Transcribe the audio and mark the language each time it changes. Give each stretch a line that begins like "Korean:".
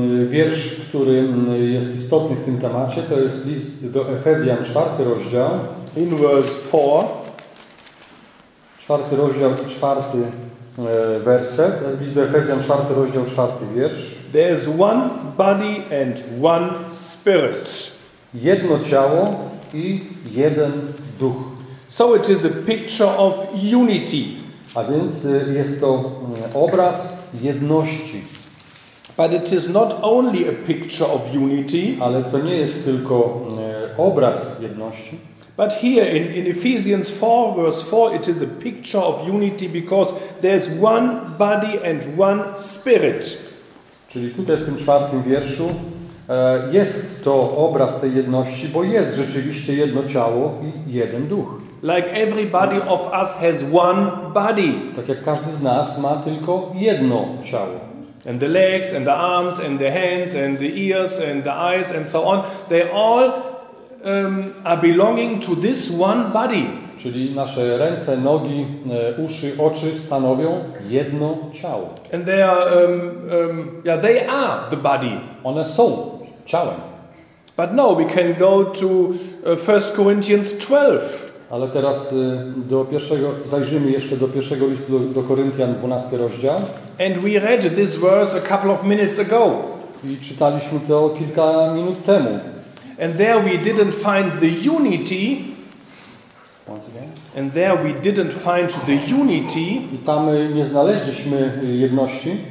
Polish: Wiersz, który jest istotny w tym temacie, to jest list do Efezjan, 4 rozdział.
English: In verse 4.
Polish: 4 rozdział i 4 werset. List do Efezjan, 4 rozdział, 4 wiersz.
English: There is one body and one spirit.
Polish: Jedno ciało i jeden duch.
English: So it is a picture of unity.
Polish: A więc jest to obraz jedności.
English: But it is not only a picture of unity,
Polish: ale to nie jest tylko obraz jedności.
English: But here in Ephesians 4 verse 4 it is a picture of unity because there's one body and one spirit.
Polish: Czyli tutaj w tym czwartym wierszu jest to obraz tej jedności, bo jest rzeczywiście jedno ciało i jeden duch.
English: Like everybody of us has one body.
Polish: Tak jak każdy z nas ma tylko jedno ciało.
English: And the legs and the arms and the hands and the ears and the eyes and so on, they all are belonging to this one body.
Polish: Czyli nasze ręce, nogi, uszy, oczy stanowią jedno ciało.
English: And they are they are the body.
Polish: One są ciałem.
English: But no, we can go to 1 Corinthians 12.
Polish: Ale teraz zajrzymy jeszcze do pierwszego listu do Koryntian, 12 rozdział.
English: And we read this verse a couple of minutes ago.
Polish: I czytaliśmy to kilka minut temu.
English: And there we didn't find the unity. Once again. And there we didn't find the unity.
Polish: I tam nie znaleźliśmy jedności.